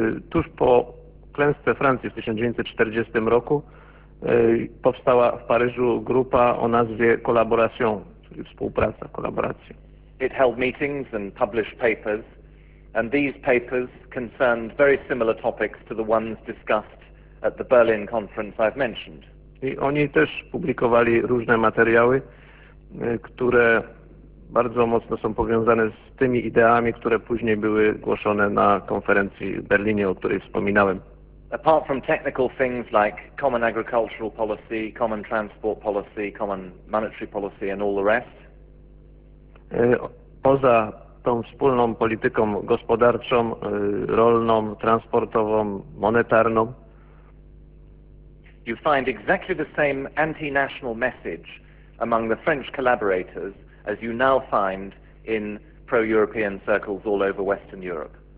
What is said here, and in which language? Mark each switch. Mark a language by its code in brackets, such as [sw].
[pl] Tuż po klęsce Francji w 1940 roku powstała w Paryżu grupa o nazwie Collaboration, czyli współpraca, kolaboracja. [en] It held meetings and published papers, and these papers concerned very similar topics to the ones discussed at the Berlin conference I've mentioned. [pl] I oni też publikowali różne materiały, które bardzo mocno są powiązane z tymi ideami, które później były głoszone na konferencji w Berlinie, o której wspominałem. [en] Apart from technical things like common agricultural policy, common transport policy, common monetary policy and all the rest. [pl] Poza tą wspólną polityką gospodarczą, rolną, transportową, monetarną. [en] You find exactly the same anti-national message among the French collaborators as you now find in pro-European circles all over Western Europe.